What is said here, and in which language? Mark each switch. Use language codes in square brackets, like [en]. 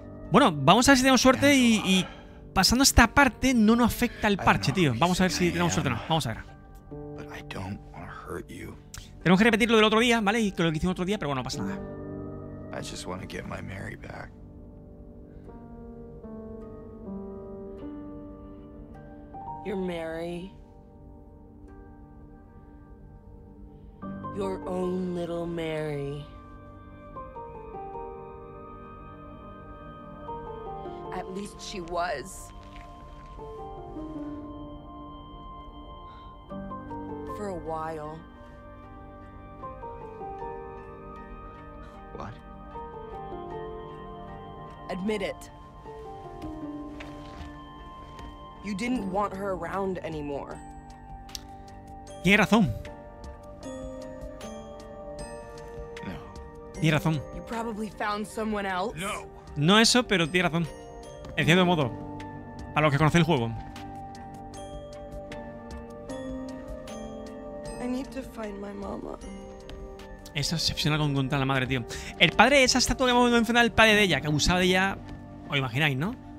[es] Bueno, vamos a ver si tenemos suerte y pasando esta parte no nos afecta el parche, tío. Vamos a ver si tenemos suerte o no, vamos a ver. Pero no quiero lastimarte. Tenemos que repetir lo del otro día, ¿vale? Y lo que hicimos otro día, pero bueno, no pasa nada. [en] I just want to get my Mary back. You're Mary. Your own little Mary. At least she was. For a while. What? Admit it. You didn't want her around anymore. [es] Tiene razón. No. Tiene razón. [en] You probably found someone else. [es] No. No eso, pero tiene razón. En cierto modo. A los que conocen el juego. [en] I need to find my mama. [es] Es excepcional con contra la madre, tío. El padre, esa estatua que hemos visto enfrentar, el padre de ella, que abusaba de ella, os imagináis, ¿no?